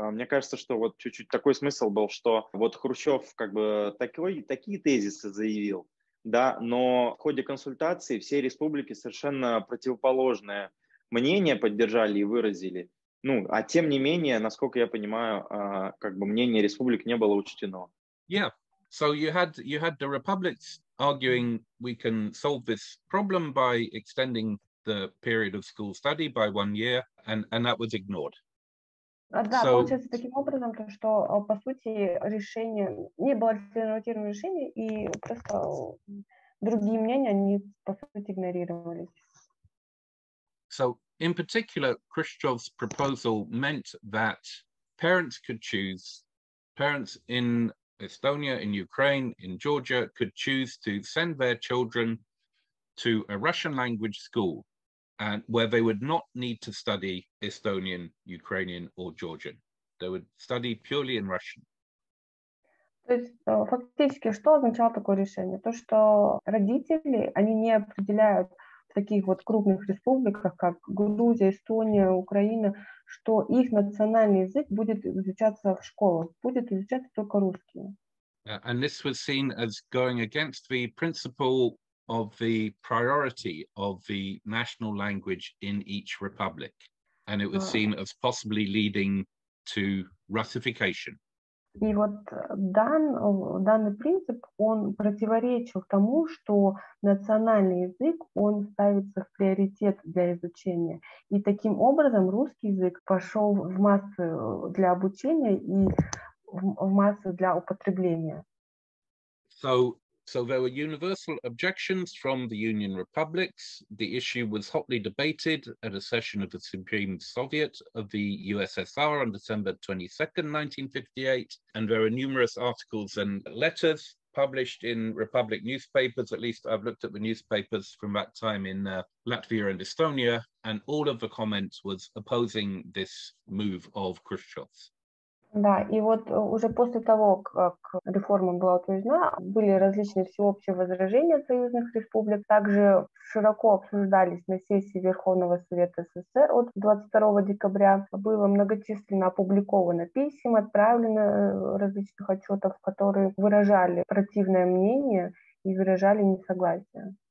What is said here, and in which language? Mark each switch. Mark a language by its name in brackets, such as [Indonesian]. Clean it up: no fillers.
[Russian] Мне кажется, что вот чуть-чуть такой смысл был, что вот Хрущев как бы такие тезисы заявил, да, но в ходе консультации все республики совершенно противоположное мнение поддержали и выразили. Ну, а тем не менее, насколько я понимаю, как бы мнение республик не было учтено. [English] Yeah, so you had the republics arguing we can solve this problem by extending the period of school study by one year, and that was ignored. [Russian] Да, [English] so, [Russian] получается таким образом, что по сути решение не было альтернативным решением, и просто другие мнения они по сути игнорировались. [English] So, in particular, Khrushchev's proposal meant that parents could choose, parents in Estonia, in Ukraine, in Georgia, could choose to send their children to a Russian language school, and where they would not need to study Estonian, Ukrainian, or Georgian. They would study purely in Russian. [Russian] То есть, фактически, что означало такое решение? То, что родители, они не определяют в таких вот крупных республиках, как Грузия, Эстония, Украина, что их национальный язык будет изучаться в школах, будет изучаться только русский. [English] And this was seen as going against the principle of the priority of the national language in each republic. And it was seen as possibly leading to Russification. [Russian] И вот данный принцип, он противоречил тому, что национальный язык, он ставится в приоритет для изучения. И таким образом русский язык пошел в массы для обучения и в массы для употребления. [English] So there were universal objections from the Union Republics. The issue was hotly debated at a session of the Supreme Soviet of the USSR on December 22nd, 1958. And there are numerous articles and letters published in Republic newspapers. At least I've looked at the newspapers from that time in Latvia and Estonia. And all of the comments was opposing this move of Khrushchev's. [Russian] Да, и вот уже после того, как реформа была утверждена, были различные всеобщие возражения союзных республик, также широко обсуждались на сессии Верховного Совета СССР от 22 декабря. Было многочисленно опубликовано писем, отправлено различных отчетов, которые выражали противное мнение и выражали несогласие.